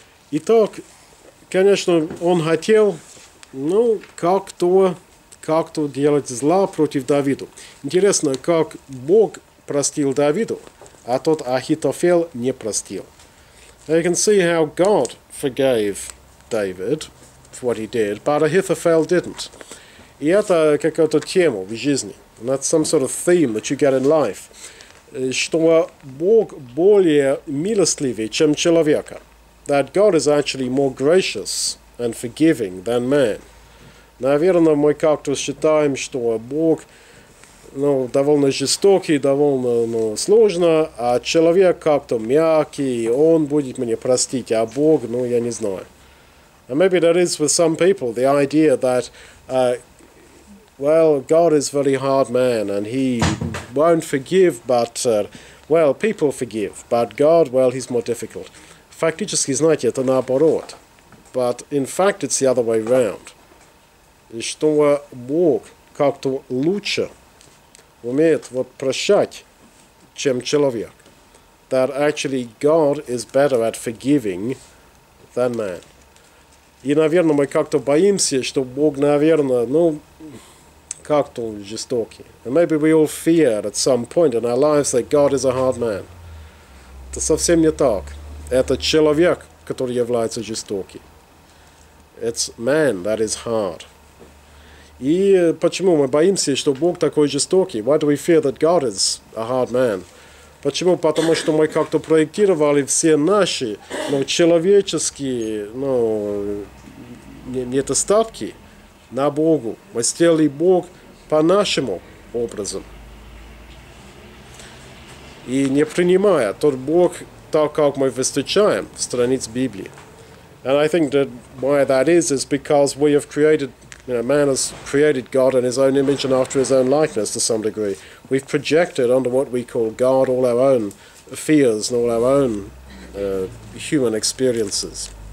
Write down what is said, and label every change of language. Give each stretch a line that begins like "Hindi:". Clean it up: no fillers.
Russian: Итак, конечно, он хотел, ну, как-то делать зла против Давиду. Интересно, как Бог простил Давиду, а тот Ахитофел не простил.
English: Now you can see how God forgave David for what he did, but Ahithophel didn't.
Russian: И это какая-то тема в жизни.
English: And that's some sort of theme that you get in life.
Russian: Что Бог более милостливый, чем человека.
English: That God is actually more gracious and forgiving than man.
Russian: Наверное, мы как-то считаем, что Бог ну, довольно жестокий, довольно ну, сложно, а человек как-то мягкий, он будет мне простить, а Бог, ну, я не знаю.
English: And maybe that is with some people, the idea that, well, God is a very hard man, and he won't forgive, but, well, people forgive, but God, well, he's more difficult.
Russian: Фактически, знаете, это наоборот.
English: But in fact, it's the other way around.
Russian: И что Бог как-то лучше умеет вот прощать, чем человек.
English: That actually God is better at forgiving than man.
Russian: И, наверное, мы как-то боимся, что Бог, наверное, ну, как-то жестокий.
English: And maybe we all fear at some point in our lives that God is a hard man.
Russian: Это совсем не так. Это человек, который является жестоким.
English: It's man that is hard.
Russian: И почему мы боимся, что Бог такой жестокий?
English: Why do we fear that God is a hard man?
Russian: Почему? Потому что мы как-то проектировали все наши, ну, человеческие, ну, недостатки на Богу. Мы сделали Бог по нашему образу. И не принимая тот Бог, так как мы встречаем в страницах Библии.
English: And I think that why that is because we have created, you know, man has created God in his own image and after his own likeness to some degree. We've projected onto what we call God all our own fears and all our own human experiences.